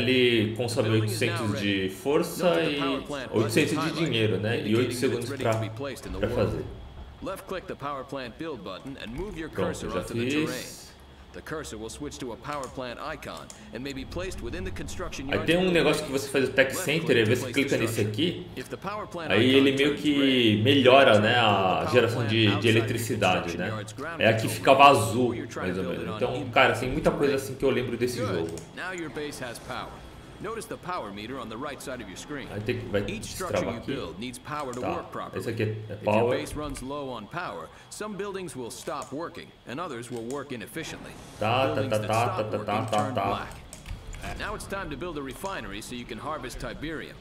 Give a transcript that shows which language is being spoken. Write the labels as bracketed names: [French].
[Portuguese] Ali consome 800 de força e 800 de dinheiro, né? E 8 segundos para fazer. [English] Left click the power plant build button and move your cursor onto the terrain. The cursor will switch to a power plant icon and may be placed within the construction yard. [Portuguese] Aí tem um negócio que você faz o tech center, e você clica nesse aqui. Aí ele meio que melhora, né, a geração de eletricidade, né? É aqui ficava azul, mais ou menos. Então, cara, tem muita coisa assim que eu lembro desse jogo. [English] Now your base has power. Notice the power meter on the right side of your screen. Each structure you build needs power to work properly. [Portuguese] Esse aqui é [English] power. If your base runs low on power, some buildings will stop working and others will work inefficiently. Now it's time to build a refinery so you can harvest Tiberium.